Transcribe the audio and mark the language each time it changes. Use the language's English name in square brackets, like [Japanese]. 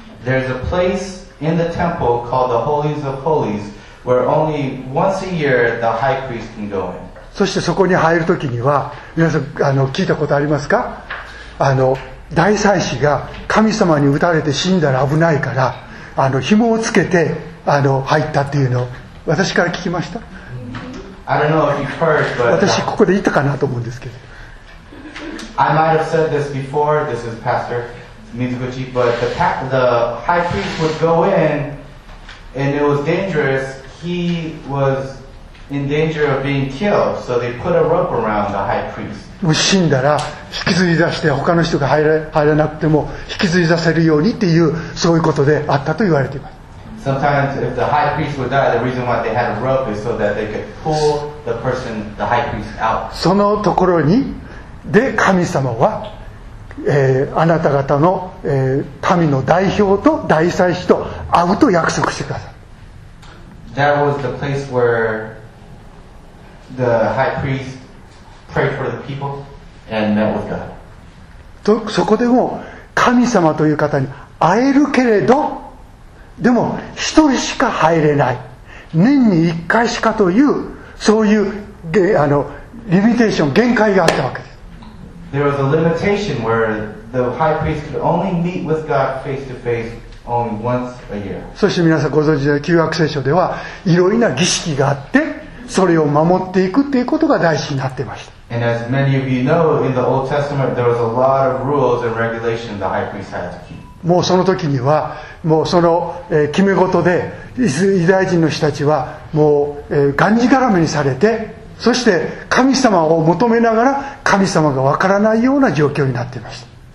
[English] There's a place in the temple called the Holies of Holies where only once a year the high priest can go in. [Japanese] そしてそこに入るときには皆さん聞いたことありますか、大祭司が神様に撃たれて死んだら危ないから紐をつけて入ったっていうのを私から聞きました。 [English] I don't know if you've heard, but [Japanese] 私ここで言ったかなと思うんですけど、 [English] I might have said this before, this is Pastor Mizuguchi, but the high priest would go in and it was dangerous. He was in danger of being killed, so they put a rope around the high priest. [Japanese] もう死んだら引きずり出して他の人が入らなくても引きずり出せるようにっていう、そういうことであったと言われています。 [English] Sometimes if the high priest would die, the reason why they had a rope is so that they could pull the person, the high priest out. [Japanese] そのところにで神様は、あなた方の、民の代表と大祭司と会うと約束してください。 [English] That was the place where the high priest prayed for the people and met with God. [Japanese] とそこでも神様という方に会えるけれど、でも一人しか入れない、年に一回しかという、そういうリミテーション、限界があったわけです。 [English] There was a limitation where the high priest could only meet with God face to face only once a year. [Japanese] そして皆さんご存知の旧約聖書ではいろいろな儀式があって、それを守っていくということが大事になっていました。 [English] And as many of you know, in the Old Testament, there was a lot of rules and regulations the high priest had to keep. [Japanese] もうその時にはもうその決め事でイスラエル人の人たちはもうがんじがらめにされて、そして神様を求めながら神様がわからないような状況になっていました。